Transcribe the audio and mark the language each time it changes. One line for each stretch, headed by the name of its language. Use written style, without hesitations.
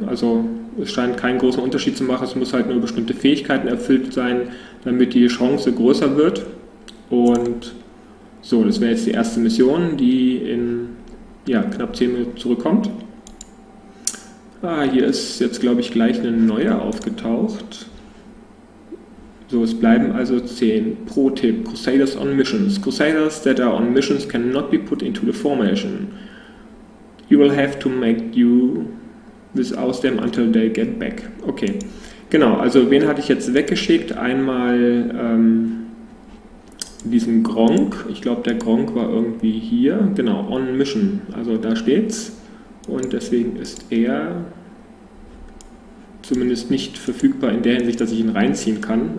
German: Also es scheint keinen großen Unterschied zu machen, es muss halt nur bestimmte Fähigkeiten erfüllt sein, damit die Chance größer wird. Und so, das wäre jetzt die erste Mission, die in knapp 10 Minuten zurückkommt. Ah, hier ist jetzt, glaube ich, gleich eine neue aufgetaucht. So, es bleiben also 10. Pro-Tipp,
English: Crusaders on Missions. Crusaders that are on Missions cannot be put into the formation. You will have to make you without them until they get back.
German: Okay, genau, also wen hatte ich jetzt weggeschickt? Einmal diesen Gronkh. Ich glaube, der Gronkh war irgendwie hier. Genau,
English: on Mission.
German: Also da steht's. Und deswegen ist er zumindest nicht verfügbar in der Hinsicht, dass ich ihn reinziehen kann.